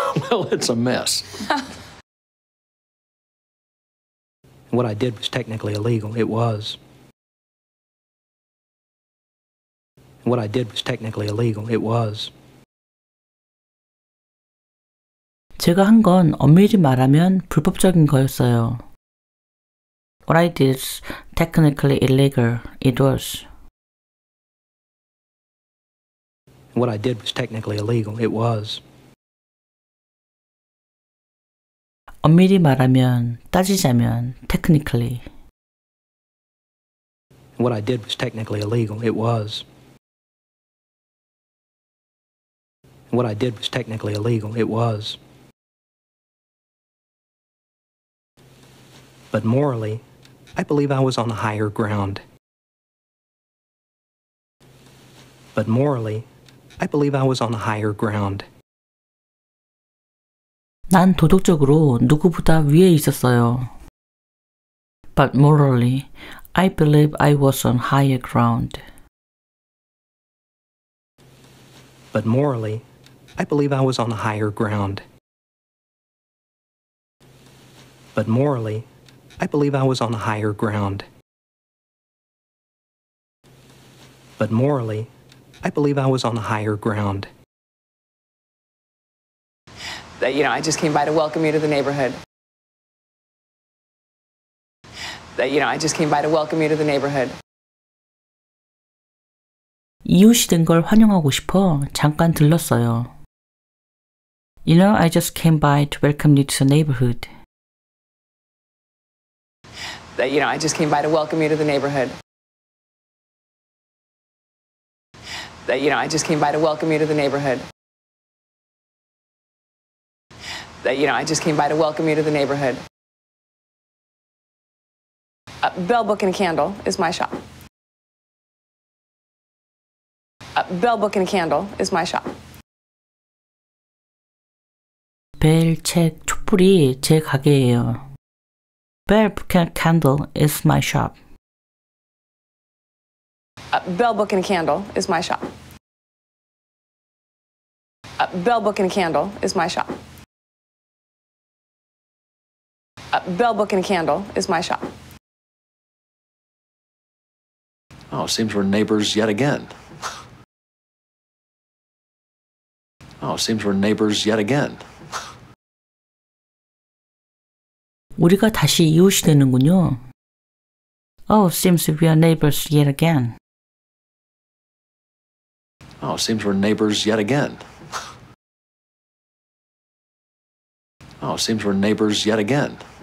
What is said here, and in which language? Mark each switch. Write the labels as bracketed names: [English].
[English] Well, it's a mess. What I did was technically illegal. It was. What I did was technically illegal. It was. [Korean] 제가 한 건 엄밀히 말하면 불법적인 거였어요. [English] What I did is technically illegal. It was. What I did was technically illegal. It was. [Korean] 엄밀히 말하면, 따지자면, technically. [English] What I did was technically illegal. It was. What I did was technically illegal. It was. But morally, I believe I was on the higher ground. But morally, I believe I was on the higher ground. [Korean] 난 도덕적으로 누구보다 위에 있었어요. [English] But morally, I believe I was on higher ground. But morally, I believe I was on the higher ground. But morally, I believe I was on the higher ground. But morally, I believe I was on the higher ground. That, you know, I just came by to welcome you to the neighborhood. That, you know, I just came by to welcome you to the neighborhood. [Korean] 이웃이 된 걸 환영하고 싶어 잠깐 들렀어요. [English] You know, I just came by to welcome you to the neighborhood. That, you know, I just came by to welcome you to the neighborhood. That, you know, I just came by to welcome you to the neighborhood. That, you know, I just came by to welcome you to the neighborhood. Bell Book and Candle is my shop. Bell Book and Candle is my shop. [Korean] 벨, 책, 촛불이 제 가게예요. [English] Bell Book and Candle is my shop. Bell Book and Candle is my shop. Bell Book and Candle is my shop. Bell Book and Candle is my shop. Oh, it seems we're neighbors yet again. Oh, it seems we're neighbors yet again. [Korean] 우리가 다시 이웃이 되는군요. [English] Oh, seems we are neighbors yet again. Oh, seems we're neighbors yet again. Oh, seems we're neighbors yet again.